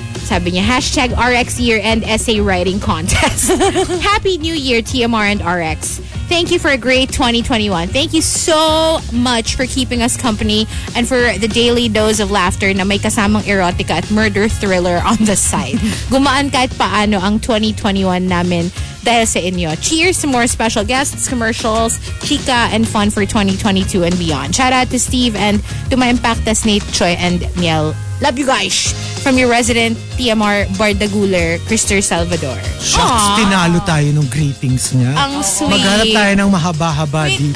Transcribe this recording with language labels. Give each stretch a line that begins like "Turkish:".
Filipino: Sabi niya,
English: hashtag RX year end essay writing contest. Happy New Year, TMR and RX. Thank you for a great 2021. Thank you so much for keeping us company and for the daily dose of laughter
Filipino: na may kasamang
English: erotica at murder thriller on the side.
Filipino: Gumaan kahit paano ang 2021 namin dahil sa inyo.
English: Cheers to more special guests, commercials, chika, and fun for 2022 and beyond. Shout out to Steve and to my impactas Nate Choi and Miel. Love you guys. From your resident TMR Bardaguler, Krister Salvador.
Filipino: Shucks, tinalo tayo ng greetings niya. Ang sweet. Maghanap tayo ng mahaba-haba dito.